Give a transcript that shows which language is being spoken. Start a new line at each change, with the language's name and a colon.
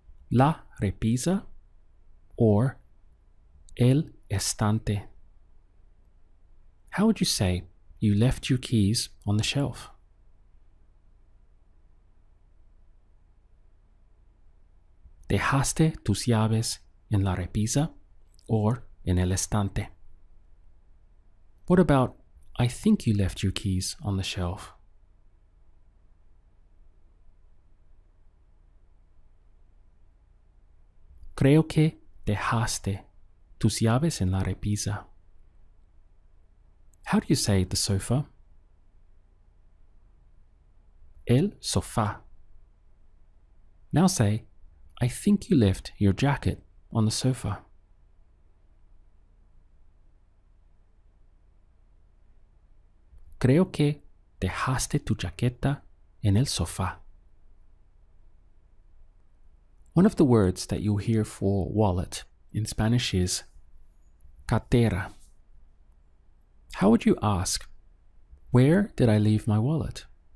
Spanish: La repisa or el estante.
English: How would you say you left your keys on the shelf?
Spanish: Dejaste tus llaves en la repisa or en el estante.
English: What about, I think you left your keys on the shelf.
Spanish: Creo que dejaste tus llaves en la repisa.
English: How do you say the sofa?
Spanish: El sofá.
English: Now say, I think you left your jacket on the sofa.
Spanish: Creo que dejaste tu chaqueta en el sofá.
English: One of the words that you'll hear for wallet in Spanish is cartera. How would you ask, where did I leave my wallet?